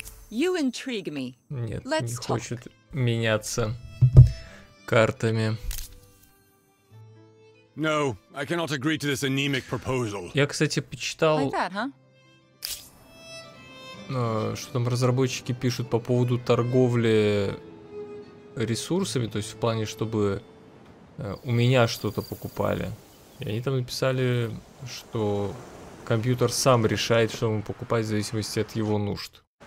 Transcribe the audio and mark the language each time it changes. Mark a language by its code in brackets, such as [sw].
[en] You intrigue me. [ru] Нет, [en] Let's [ru] не [en] talk. [ru] Хочет меняться картами. [en] No, I cannot agree to this anemic proposal. [ru] Я, кстати, почитал, [en] like that, huh? [ru] Что там разработчики пишут по поводу торговли ресурсами, то есть в плане, чтобы у меня что-то покупали. И они там написали, что компьютер сам решает, что ему покупать в зависимости от его нужд.